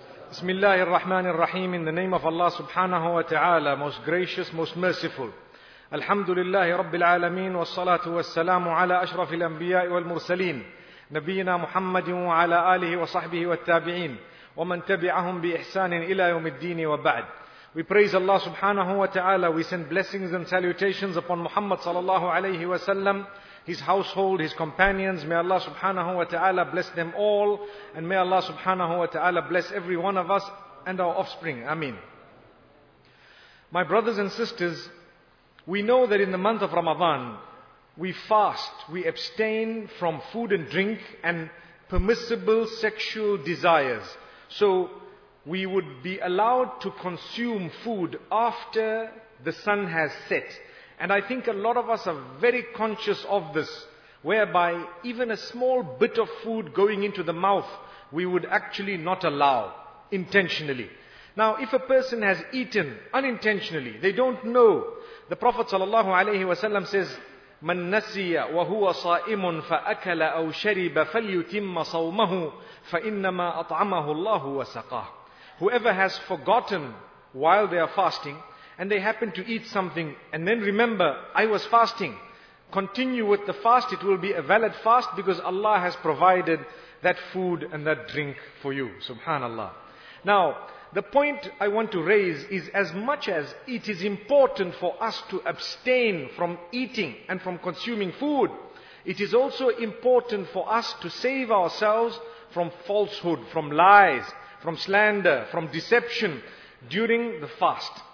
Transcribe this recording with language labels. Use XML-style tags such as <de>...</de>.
<ar>بسم الله الرحمن الرحيم.</ar> <en>In the name of Allah subhanahu wa ta'ala, most gracious, most merciful.</en> <ar>الحمد لله رب العالمين والصلاة والسلام على أشرف الأنبياء والمرسلين نبينا محمد وعلى آله وصحبه والتابعين ومن تبعهم بإحسان إلى يوم الدين وبعد.</ar> <en>We praise Allah subhanahu wa ta'ala. We send blessings and salutations upon Muhammad sallallahu alayhi wa sallam, his household, his companions. May Allah subhanahu wa ta'ala bless them all. And may Allah subhanahu wa ta'ala bless every one of us and our offspring. Ameen. My brothers and sisters, we know that in the month of Ramadan, we fast, we abstain from food and drink and permissible sexual desires. So we would be allowed to consume food after the sun has set. And I think a lot of us are very conscious of this, whereby even a small bit of food going into the mouth, we would actually not allow intentionally. Now, if a person has eaten unintentionally, they don't know. The Prophet sallallahu alayhi wa sallam says,</en> <ar>مَنْ نَسِيَ وَهُوَ صَائِمٌ فَأَكَلَ أَوْ شَرِبَ فَلْيُتِمَّ صَوْمَهُ فَإِنَّمَا أَطْعَمَهُ اللَّهُ وَسَقَاهُ.</ar> <en>Whoever has forgotten while they are fasting, and they happen to eat something, and then remember, I was fasting, continue with the fast, it will be a valid fast, because Allah has provided that food and that drink for you. Subhanallah. Now, the point I want to raise is, as much as it is important for us to abstain from eating and from consuming food, it is also important for us to save ourselves from falsehood, from lies, from slander, from deception during the fast.</en>